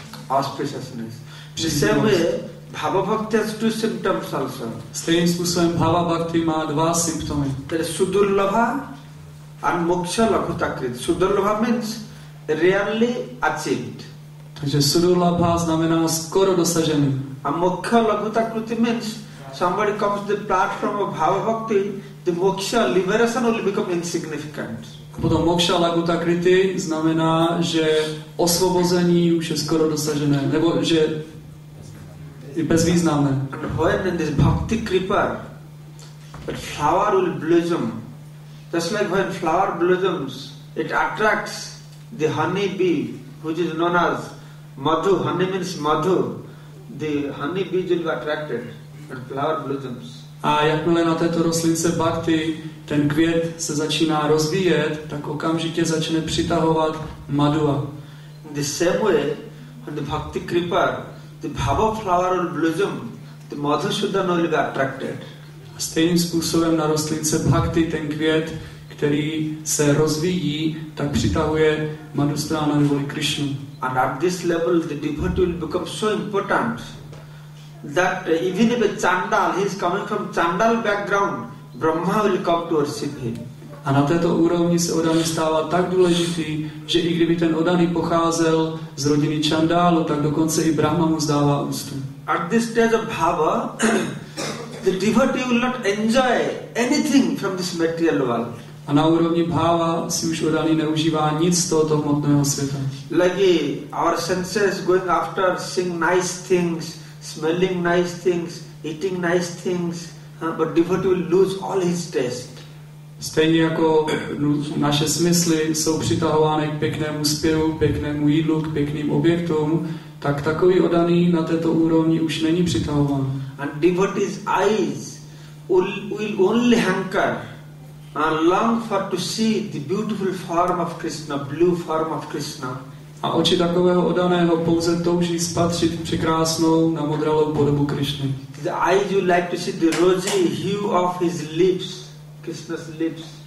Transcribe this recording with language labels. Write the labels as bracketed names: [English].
[English] Auspiciousness. The same way, bhava bhakti has two symptoms also. [Czech] Stejným způsobem bhava bhakti má dva symptomy. [English] There is sudurlabha and moksha lakhutakrit. Sudurlabha means rarely achieved. [Czech] Takže sudurlabha znamená skoro dosažený. [English] A moksha lakhutakrit means somebody comes to the platform of bhava bhakti, the moksha liberation will become insignificant. [Czech] Potom moksha lakhutakriti znamená, že osvobození už je skoro dosažené, nebo že je bezvýznamné. [English] And when this bhakti kripa, that flower will blossom, Just like when flower blossoms, it attracts the honey bee, which is known as madhu. Honey means madhu. The honey bee will be attracted when flower blossoms. [Czech] A jakmile na této rostlince bhakti ten květ se začíná rozvíjet, tak okamžitě začne přitahovat madhuva. [English] The same way, when the bhakti creeper, the bhava flower will blossom, the madhusudan will be attracted. [Czech] Stejným způsobem na rostlince bhakti ten květ, který se rozvíjí, tak přitahuje madhusudana neboli Krishnu. [English] And at this level, the devotee will become so important that even if a chandal, he is coming from chandal background, Brahma will come to worship him. [Czech] A na této úrovni se odany stává tak důležitý, že i kdyby ten odany pocházel z rodiny čandálu, tak dokonce i Brahma mu zdává úctu. [English] At this stage of bhava, the devotee will not enjoy anything from this material world. [Czech] A na úrovni bhava si už odany neužívá nic z tohoto hmotného světa. [English] Like our senses going after seeing nice things, smelling nice things, eating nice things, but devotee will lose all his taste. [Czech] Stejně jako naše smysly jsou přitahovány k pěknému zpěvu, pěknému jídlu, k pěkným objektům, tak takový odaný na této úrovni už není přitahován. [English] And devotee's eyes will only hanker and long for to see the beautiful form of Krishna, blue form of Krishna. [Czech] A oči takového odaného pouze touží spatřit překrásnou namodralou podobu Krišny. [English] The eyes would like to see the rosy hue of his lips, Krishna's lips.